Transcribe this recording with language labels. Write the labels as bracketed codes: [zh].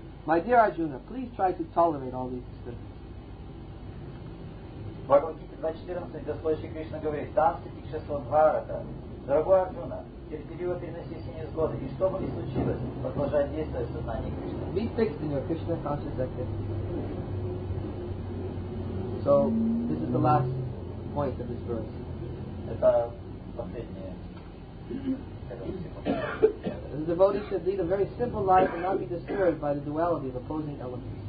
[en] My dear Arjuna, please try to tolerate all these disturbances. [ru] Bhagavad Gita 2.14, Lord Shri Krishna говорит, Tang Tatikshas Vabharata. Дорогой Арджуна, терпеливо переноси все невзгоды, и что бы ни случилось, продолжай действовать в сознании Кришны. [en] Be fixed in your Krishna conscious activity. So, this is the last point of this verse. [ru] Это последнее. [en] The devotee should lead a very simple life and not be disturbed by the duality of opposing elements.